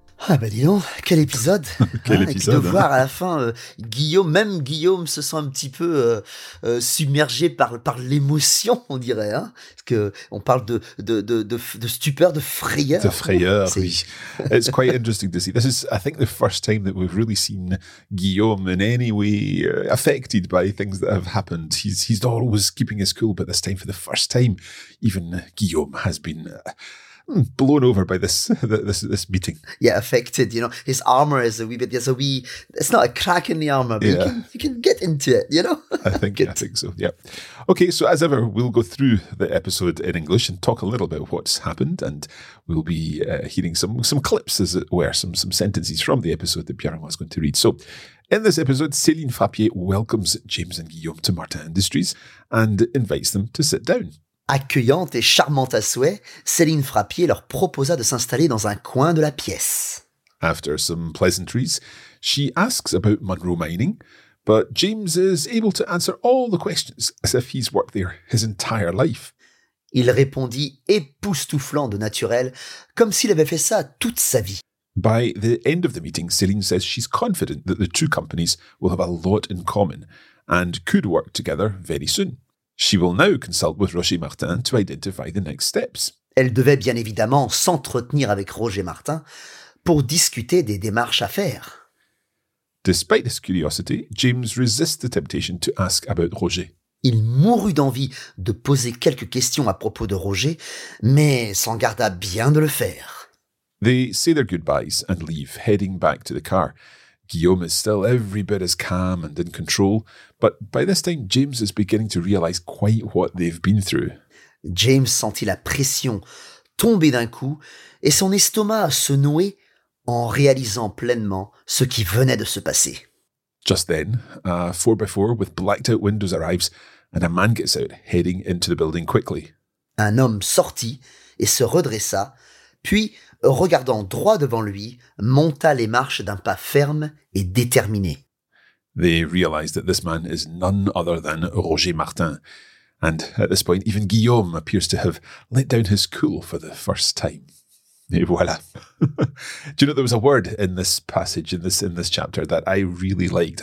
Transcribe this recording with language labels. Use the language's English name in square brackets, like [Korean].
[French] Ah bah dis donc, quel épisode, épisode de voir à la fin Guillaume, même Guillaume se sent un petit peu submergé par l'émotion, on dirait, hein, parce que on parle de stupeur, de frayeur. De frayeur, c'est... oui. [English] It's quite interesting to see. This is, I think, the first time that we've really seen Guillaume in any way affected by things that have happened. He's always keeping his cool, but this time, for the first time, even Guillaume has been blown over by this meeting. Yeah, affected, you know. His armor is a wee bit, it's not a crack in the armor, but you can get into it, you know. I think so. Okay, so as ever, we'll go through the episode in English and talk a little bit what's happened, and we'll be hearing some clips, as it were, some sentences from the episode that Pierre was going to read. So, in this episode, Céline Frappier welcomes James and Guillaume to Martin Industries and invites them to sit down. [French] Accueillante et charmante à souhait, Céline Frappier leur proposa de s'installer dans un coin de la pièce. [English] After some pleasantries, she asks about Monroe Mining, but James is able to answer all the questions as if he's worked there his entire life. [French] Il répondit époustouflant de naturel, comme s'il avait fait ça toute sa vie. [English] By the end of the meeting, Céline says she's confident that the two companies will have a lot in common and could work together very soon. She will now consult with Roger Martin to identify the next steps. [French] Elle devait bien évidemment s'entretenir avec Roger Martin pour discuter des démarches à faire. [English] Despite his curiosity, James resists the temptation to ask about Roger. [French] Il mourut d'envie de poser quelques questions à propos de Roger, mais s'en garda bien de le faire. [English] They say their goodbyes and leave, heading back to the car. Guillaume is still every bit as calm and in control, but by this time, James is beginning to realise quite what they've been through. [French] James sentit la pression tomber d'un coup et son estomac se nouer en réalisant pleinement ce qui venait de se passer. [English] Just then, a 4x4 with blacked out windows arrives and a man gets out, heading into the building quickly. [French] Un homme sortit et se redressa, puis, regardant droit devant lui, monta les marches d'un pas ferme et déterminé. [English] They realise that this man is none other than Roger Martin. And at this point, even Guillaume appears to have let down his cool for the first time. [French] Et voilà. [English] Do you know, there was a word in this passage, in this chapter, that I really liked.